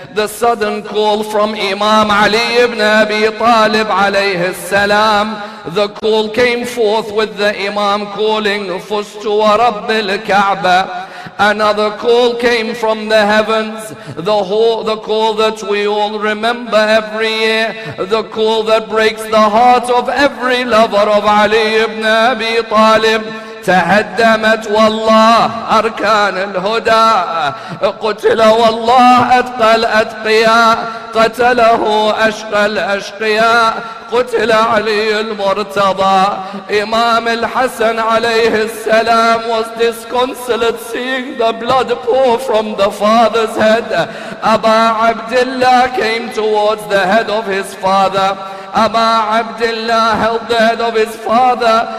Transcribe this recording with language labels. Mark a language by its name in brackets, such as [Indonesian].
[English] The sudden call from Imam Ali ibn Abi Talib alayhi salam, the call came forth with the Imam calling Fustu wa Rabbi al-Ka'ba. Another call came from the heavens, the call that we all remember every year, the call that breaks the heart of every lover of Ali ibn Abi Talib. [Arabic] تهدمت والله أركان الهدى قتل والله أتقى الأتقياء قتله أشقى الأشقياء قتل علي المرتضى. [English] Imam al-Hasan alayhi salam was disconsolate seeing the blood pour from the father's head. Aba Abdullah came towards the head of his father. Aba Abdullah held the head of his father.